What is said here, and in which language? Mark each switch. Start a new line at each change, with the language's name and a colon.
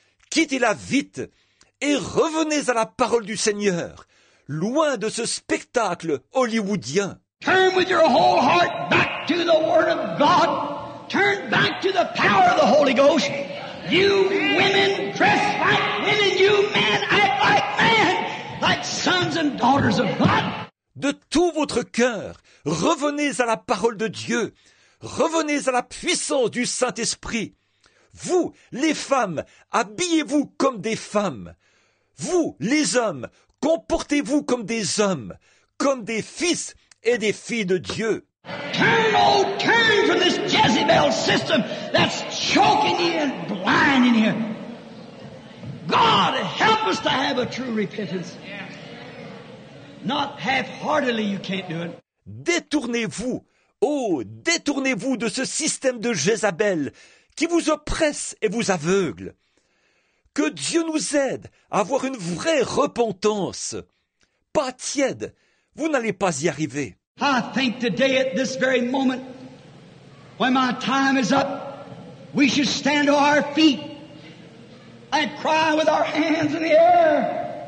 French: Quittez-la vite et revenez à la parole du Seigneur, loin de ce spectacle hollywoodien.
English: Turn with your whole heart back to the Word of God. Turn back to the power of the Holy Ghost. You women dress like women, you men act like men, like sons and daughters of God.
French: De tout votre cœur, revenez à la parole de Dieu. Revenez à la puissance du Saint-Esprit. Vous, les femmes, habillez-vous comme des femmes. Vous, les hommes, comportez-vous comme des hommes, comme des fils et des filles de Dieu.
English: cannot turn from this Jezebel system that's choking you and blinding you. God, help us to have a true repentance. Not half-heartedly, you can't do it.
French: Détournez-vous, oh, détournez-vous de ce système de Jézabel qui vous oppresse et vous aveugle. Que Dieu nous aide à avoir une vraie repentance. Pas tiède, vous n'allez pas y arriver.
English: I think today at this very moment, when my time is up, we should stand on our feet and cry with our hands in the air.